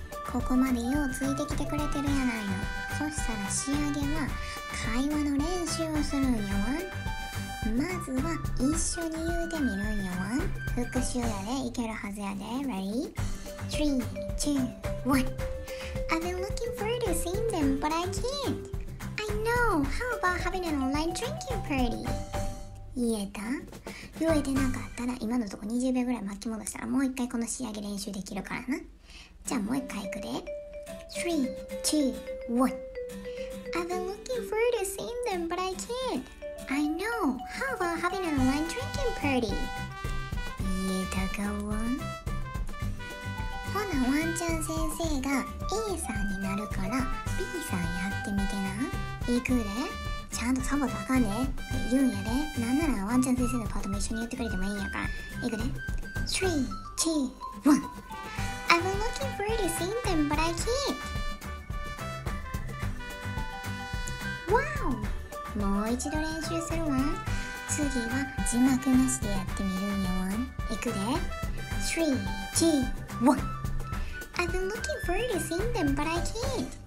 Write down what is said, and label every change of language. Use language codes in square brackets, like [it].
[ja] ここまでようついてきてくれてるやないの。そしたら仕上げは会話の練習をするんよ。まずは一緒に言うてみるんよ。復習やで、いけるはずやで。 [en] Ready? 3, 2, 1 I've been looking forward to seeing them, but I can't. I know, how about having an online drinking party? [ja] 言えた？言えてなかったら今のとこ20秒ぐらい巻き戻したらもう一回この仕上げ練習できるからな。じゃあもう一回いくで。 [en] 3, 2, 1 I've been looking forward to seeing them, but I can't. I know, how about having an online drinking party? [ja] 言えたかわん。ほならワンちゃん先生が A さんになるから B さんやってみてな。行くで。ちゃんとサボったあかんでって言うんやで。なんならワンちゃん先生のパートも一緒に言ってくれてもいいんやから。行くで。3, 2, 1. [en] I've been looking for you to sing them but I can't. [ja] Wow! もう一度練習するわ。次は字幕なしでやってみるんやわ。行くで。3, 2, 1. [en] I've been looking for you to sing them but I can't.